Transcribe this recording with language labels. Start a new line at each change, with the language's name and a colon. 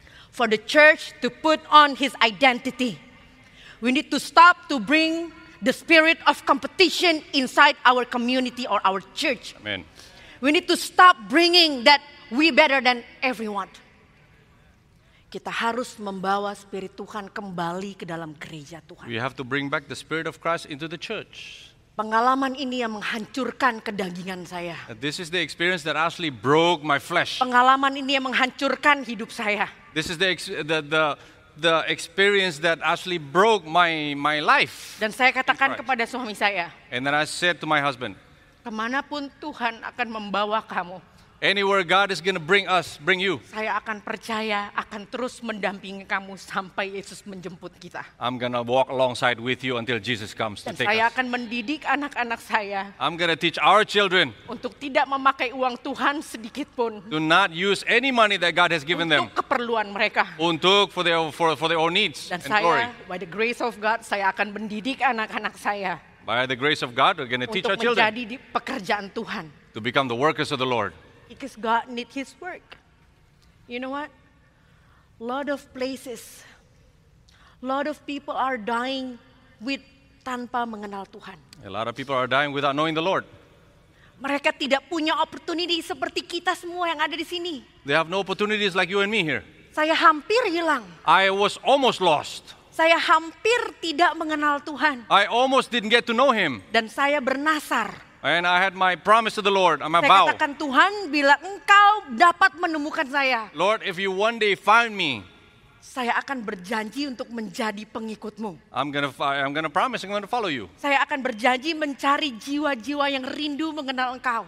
English: For the church to put on his identity. We need to stop to bring the spirit of competition inside our community or our church. Amen. We need to stop bringing that we better than everyone.
Indonesian: Kita harus membawa spirit Tuhan kembali ke dalam gereja Tuhan.
English: We have to bring back the spirit of Christ into the church.
Indonesian: Pengalaman ini yang menghancurkan kedagingan saya.
English: This is the experience that actually broke my flesh.
Indonesian: Pengalaman ini yang menghancurkan hidup saya.
English: This is the experience that actually broke my life.
Indonesian: Dan saya katakan kepada suami saya.
English: And then I said to my husband.
Indonesian: Kemanapun Tuhan akan membawa kamu.
English: Anywhere God is going to bring you.
Indonesian: Saya akan percaya akan terus mendampingi kamu sampai Yesus menjemput kita.
English: I'm going to walk alongside with you until Jesus comes
Indonesian: Dan
English: to take us.
Indonesian: Saya akan mendidik anak-anak saya.
English: I'm going to teach our children.
Indonesian: Untuk tidak memakai uang Tuhan sedikit pun.
English: Do not use any money that God has given
Indonesian: untuk Untuk keperluan mereka. Untuk
English: for their own needs
Indonesian: Dan
English: and
Indonesian: saya,
English: glory. By the grace of God,
Indonesian: saya akan mendidik anak-anak saya.
English: By the grace of God, we're going to teach our children.
Indonesian: Untuk menjadi pekerjaan Tuhan.
English: To become the workers of the Lord. Because God needs his work. You know what? Lot of places, lot of people are dying with
Indonesian: tanpa mengenal Tuhan.
English: A lot of people are dying without knowing the Lord.
Indonesian: Mereka tidak punya opportunity seperti kita semua yang ada di sini.
English: They have no opportunities like you and me here.
Indonesian: Saya hampir hilang.
English: I was almost lost.
Indonesian: Saya hampir tidak mengenal Tuhan.
English: I almost didn't get to know him.
Indonesian: Dan saya bernasar.
English: And I had my promise to the Lord. I'm
Indonesian: saya
English: about.
Indonesian: Katakan Tuhan, bila engkau dapat menemukan saya.
English: Lord, if you one day find me.
Indonesian: Saya akan berjanji untuk menjadi pengikutmu.
English: I'm gonna follow you.
Indonesian: Saya akan berjanji mencari jiwa-jiwa yang rindu mengenal engkau.